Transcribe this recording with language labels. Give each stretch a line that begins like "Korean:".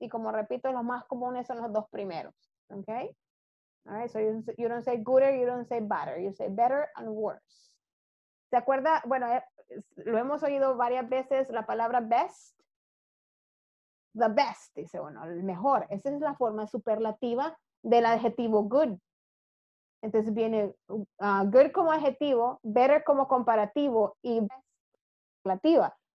Spanish: Y como repito, los más comunes son los dos primeros.
English: Okay? All right? So, you don't say gooder, you don't say better. You say better and worse.
Spanish: ¿Se acuerda? Bueno, lo hemos oído varias veces, la palabra best. The best, dice uno, el mejor. Esa es la forma superlativa del adjetivo good. Entonces viene good como adjetivo, better como comparativo y superlativa.